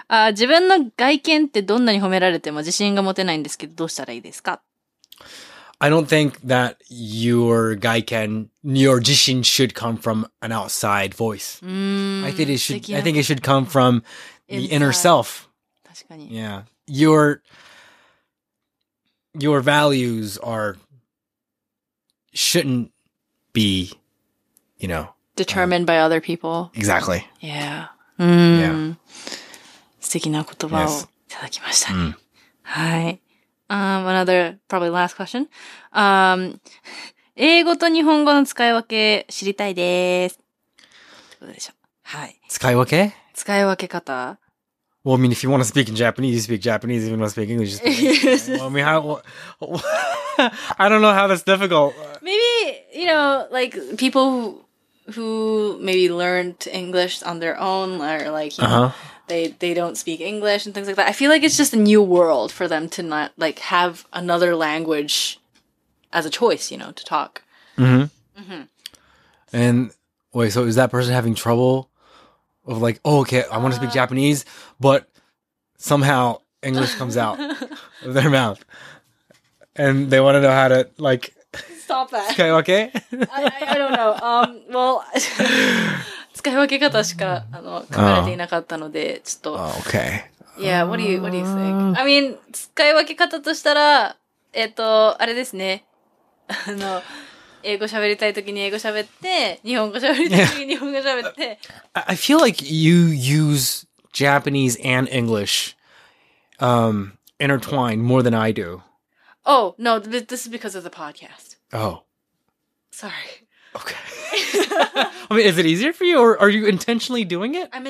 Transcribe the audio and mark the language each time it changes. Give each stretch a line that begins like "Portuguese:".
Japanese: 自分の外見ってどんなに褒められても自信が持てないんですけど、どうしたらいいですか?
English: I don't think that your 外見, your 自信 should come from an outside voice. Mm-hmm. I think it should come from the inner self.
Japanese: 確かに。
English: Yeah. Your values are, shouldn't be, you know. Determined by other people. Exactly. Yeah. Yeah.
Japanese: 素敵な言葉をいただきましたね。はい。
English: Another, probably last question.
Japanese: 英語と日本語の使い分け知りたいです。ってことでしょ。はい。使い分け? 使い分け方。
English: Well, I mean, if you want to speak in Japanese, you speak Japanese. If you want to speak English, you speak English. Well, I mean, I don't know how that's difficult. Maybe, you know, like people who maybe learned English on their own or like, you know, they don't speak English and things like that. I feel like it's just a new world for them to not like have another language as a choice, you know, to talk. Mm-hmm. Mm-hmm. And wait, so is that person having trouble? Of like, oh, okay, I want to speak Japanese, but somehow English comes out of their mouth. And they want to know how to, like... Stop that.
Japanese: 使い分け?
English: I don't know. Well,
Japanese: 使い分け方しか書かれていなかったので、ちょっと...
English: Oh, okay. Yeah, what do you think? I mean,
Japanese: 使い分け方としたら、あれですね。英語喋りたいときに英語喋って、日本語喋りたいときに日本語喋って。
English: I feel like you use Japanese and English intertwined more than I do. Oh, no, this is because of the podcast. Oh. Sorry. Okay. I mean, is it easier for you or are you intentionally doing it?